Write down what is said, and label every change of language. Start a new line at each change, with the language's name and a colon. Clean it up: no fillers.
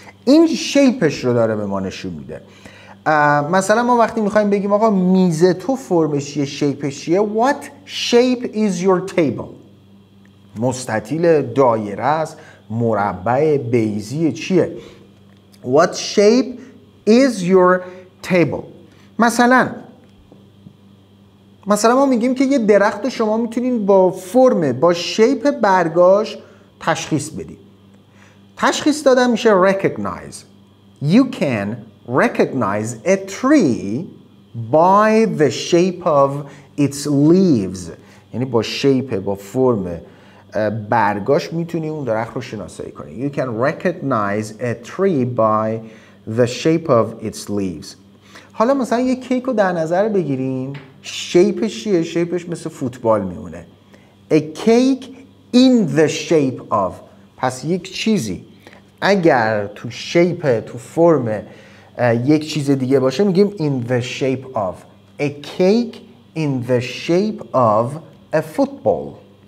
Persian: این شیپش رو داره به ما نشون میده. مثلا ما وقتی میخوایم بگیم آقا میز تو فرمش یه شیپش یه
English: What shape is your table؟
Persian: مستطیله، دایره است، مربع، بیضیه، چیه؟ What shape is your table؟ مثلا ما میگیم که یه درخت شما میتونین با فرم، با شیپ برگاش تشخیص بدی. تشخیص دادن میشه recognize.
English: You can recognize a tree by the shape of its leaves.
Persian: یعنی با شیپ، با فرم برگاش میتونی اون درخت رو شناسایی کنی.
English: You can recognize a tree by the shape of its leaves.
Persian: حالا مثلا یه کیک رو در نظر بگیریم. شیپش چیه؟ شیپش مثل فوتبال میمونه.
English: A cake in the shape of.
Persian: پس یک چیزی اگر تو شیپ، تو فرم یک چیز دیگه باشه میگیم
English: in the shape of. A cake in the shape of a football.